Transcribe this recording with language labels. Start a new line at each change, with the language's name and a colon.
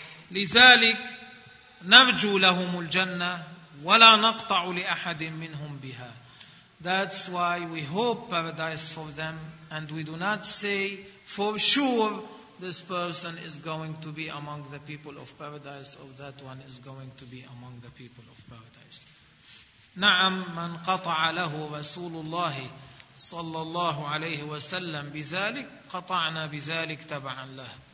Arabic: لذلك نرجو لهم الجنة ولا نقطع لأحد منهم بها.
English: That's why we hope paradise for them, and we do not say for sure this person is going to be among the people of paradise, or that one is going to be among the people of paradise.
Arabic: نعم من قطع له رسول الله صلى الله عليه وسلم بذلك قطعنا بذلك تبعا له.